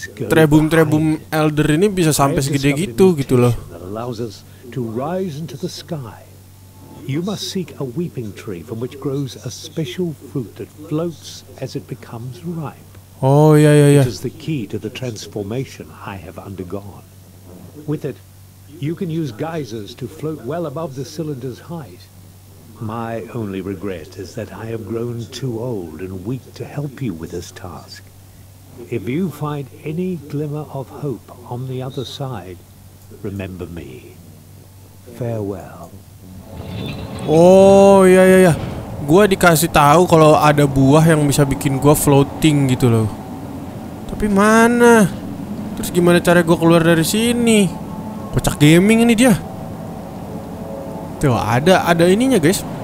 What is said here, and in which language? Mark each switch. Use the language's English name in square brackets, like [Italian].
[Indonesian] Trebum-trebum elder ini bisa sampai segede gitu gitu loh. [English] To rise into the sky, you must seek a weeping tree from which grows a special fruit that floats as it becomes ripe. Oh yeah, yeah, yeah. It is the key to the transformation I have undergone. With it, you can use geysers to float well above the cylinder's height. My only regret is that I have grown too old and weak to help you with this task. If you find any glimmer of hope on the other side, remember me. Farewell. [Indonesian] Oh ya ya ya, gua dikasih tahu kalau ada buah yang bisa bikin gua floating gitu loh. Tapi mana? Terus gimana cara gua keluar dari sini? Kocak gaming ini dia. Tuh ada ininya guys.